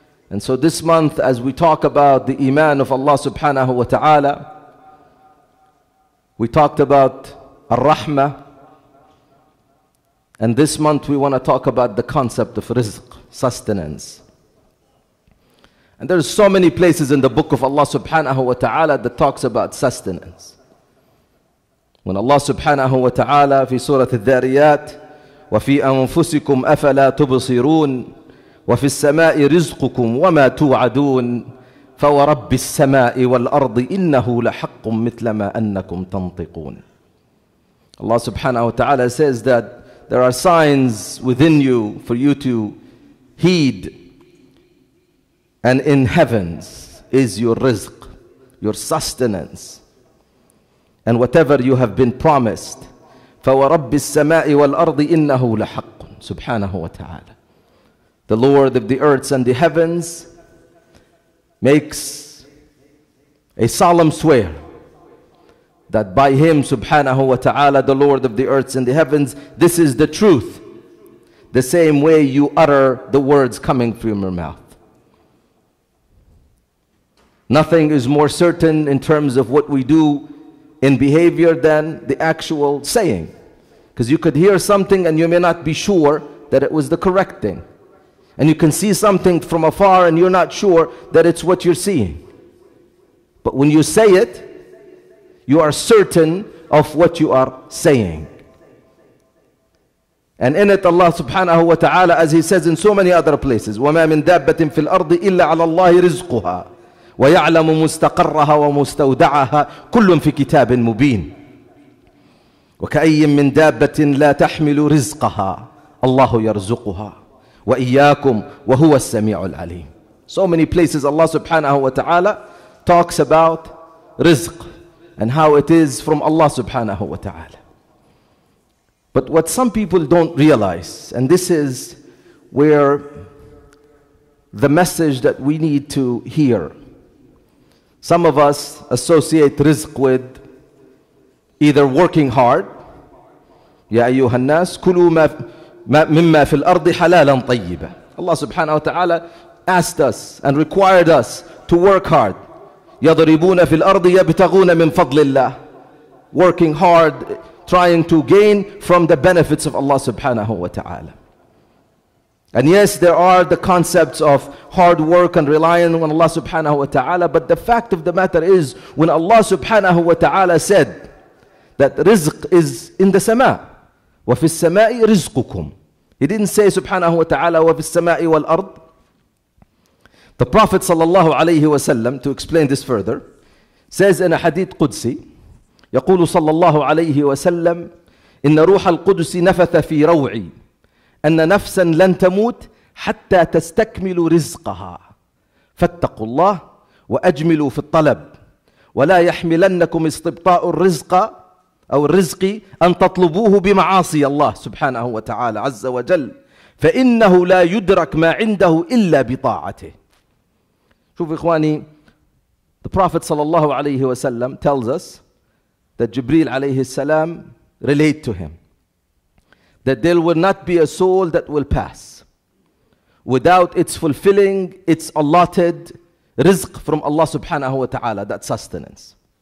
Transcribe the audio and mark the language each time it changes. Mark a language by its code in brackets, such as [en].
[en] And so this month, as we talk about the iman of Allah subhanahu wa ta'ala, we talked about ar-rahmah, and this month we want to talk about the concept of rizq, sustenance. And there's so many places in the book of Allah subhanahu wa ta'ala that talks about sustenance. When Allah subhanahu wa ta'ala fi surah al-dhariyat, [ar] وَفِي أَنفُسِكُمْ أَفَلَا تُبْصِرُونَ وَفِي السَّمَاءِ رِزْقُكُمْ وَمَا تُوْعَدُونَ فَوَرَبِّ السَّمَاءِ وَالْأَرْضِ إِنَّهُ لَحَقٌّ مِثْلَ مَا أَنَّكُمْ تَنْطِقُونَ. [en] Allah subhanahu wa ta'ala says that there are signs within you for you to heed, and in heavens is your rizq, your sustenance, and whatever you have been promised. [ar] فَوَرَبِّ السَّمَاءِ وَالْأَرْضِ إِنَّهُ لَحَقٌّ subhanahu wa ta'ala. [en] The Lord of the earths and the heavens makes a solemn swear that by Him subhanahu wa ta'ala, the Lord of the earths and the heavens, this is the truth, the same way you utter the words coming from your mouth. Nothing is more certain in terms of what we do in behavior than the actual saying. Because you could hear something and you may not be sure that it was the correct thing. And you can see something from afar and you're not sure that it's what you're seeing. But when you say it, you are certain of what you are saying. And in it, Allah subhanahu wa ta'ala, as He says in so many other places, [ar] وَمَا مِن دَابَّةٍ فِي الْأَرْضِ إِلَّا عَلَى اللَّهِ رِزْقُهَا وَيَعْلَمُ مُسْتَقَرَّهَا وَمُسْتَوْدَعَهَا كُلٌّ فِي كِتَابٍ مُبِينٍ وَكَأَيٍّ مِن دَابَّةٍ لَا تَحْمِلُ رِزْقَهَا اللَّهُ يَرْزُقُهَا وَإِيَّاكُمْ وَهُوَ السَّمِيعُ الْعَلِيمُ. [en] So many places Allah subhanahu wa ta'ala talks about rizq and how it is from Allah subhanahu wa ta'ala. But what some people don't realize, and this is where the message that we need to hear. Some of us associate rizq with either working hard. [ar] يا أيها الناس كلوا مما في الأرض حلالا طيبا. [en] Allah subhanahu wa ta'ala asked us and required us to work hard. [ar] يضربون في الأرض يبتغون من فضل الله. [en] Working hard, trying to gain from the benefits of Allah subhanahu wa ta'ala. And yes, there are the concepts of hard work and relying on Allah subhanahu wa ta'ala, but the fact of the matter is, when Allah subhanahu wa ta'ala said that rizq is in the sama, [ar] وَفِي السَّمَاءِ رِزْقُكُمْ, [en] He didn't say subhanahu wa ta'ala, [ar] وَفِي السَّمَاءِ وَالْأَرْضِ. [en] The Prophet sallallahu alayhi wa sallam, to explain this further, says in a hadith Qudsi, [ar] يقول صلى الله عليه وسلم إن روح القدس نفث في روعي أن نفسا لن تموت حتى تستكمل رزقها فاتقوا الله وأجملوا في الطلب ولا يحملنكم استبطاء الرزق أو الرزق أن تطلبوه بمعاصي الله سبحانه وتعالى عز وجل فإنه لا يدرك ما عنده إلا بطاعته. شوف إخواني, [en] the Prophet صلى الله عليه وسلم tells us that Jibreel alayhi salam relayed to him that there will not be a soul that will pass without its fulfilling its allotted rizq from Allah subhanahu wa ta'ala, that sustenance.